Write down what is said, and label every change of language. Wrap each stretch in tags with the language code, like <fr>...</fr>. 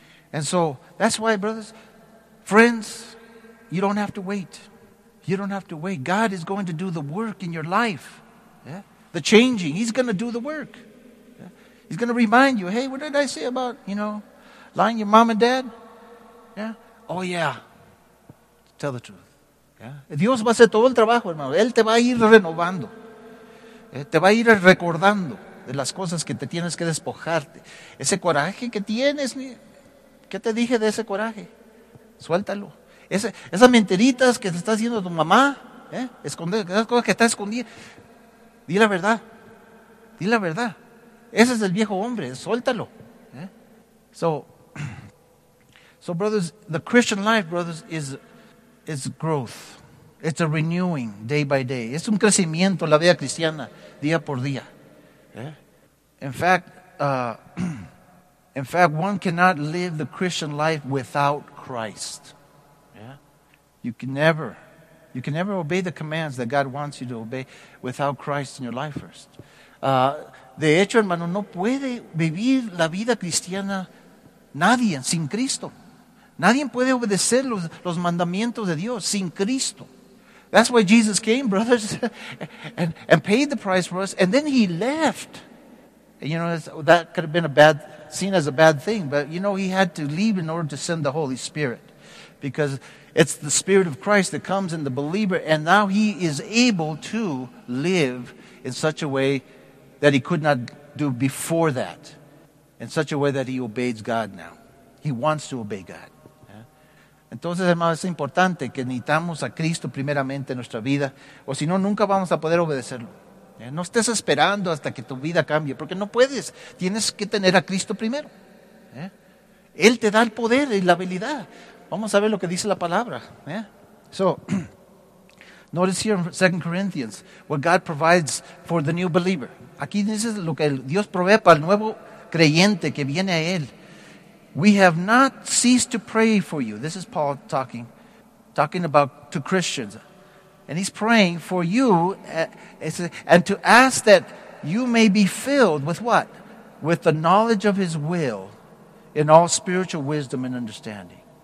<en>And so, that's why, brothers, friends, you don't have to wait. You don't have to wait. God is going to do the work in your life. Yeah. The changing, he's going to do the work. Yeah. He's going to remind you, hey, what did I say about, lying to your mom and dad? Yeah. Oh, yeah. Tell the truth. Yeah.</en> <es>Dios va a hacer todo el trabajo, hermano. Él te va a ir renovando. Te va a ir recordando de las cosas que te tienes que despojarte. Ese coraje que tienes, ¿qué te dije de ese coraje? Suéltalo. Esas mentiritas que te está haciendo tu mamá, esconder, esas cosas que está escondiendo. Di la verdad. Di la verdad. Ese es el viejo hombre. Suéltalo.</es> <en>So, brothers, the Christian life, brothers, is growth. It's a renewing day by day.</en> <es>Es un crecimiento la vida cristiana día por día.</es> <en>In fact, one cannot live the Christian life without Christ. You can never obey the commands that God wants you to obey without Christ in your life first.</en> <es>De hecho, hermano, no puede vivir la vida cristiana nadie sin Cristo. Nadie puede obedecer los mandamientos de Dios sin Cristo. That's why Jesus came, brothers, and paid the price for us, and then he left. And that could have been seen as a bad thing, but he had to leave in order to send the Holy Spirit. Because it's the Spirit of Christ that comes in the believer, and now he is able to live in such a way that he could not do before that, in such a way that he obeys God now. He wants to obey God. Entonces, hermanos, es importante que necesitamos a Cristo primeramente en nuestra vida, o si no, nunca vamos a poder obedecerlo. No estés esperando hasta que tu vida cambie, porque no puedes. Tienes que tener a Cristo primero. Él te da el poder y la habilidad. Vamos a ver lo que dice la palabra.</es> <en>So, notice here in 2 Corinthians what God provides for the new believer.</en> <es>Aquí dice lo que Dios provee para el nuevo creyente que viene a Él.</es> <en>We have not ceased to pray for you. This is Paul talking about to Christians. And he's praying for you and to ask that you may be filled with what? With the knowledge of his will in all spiritual wisdom and understanding.</en>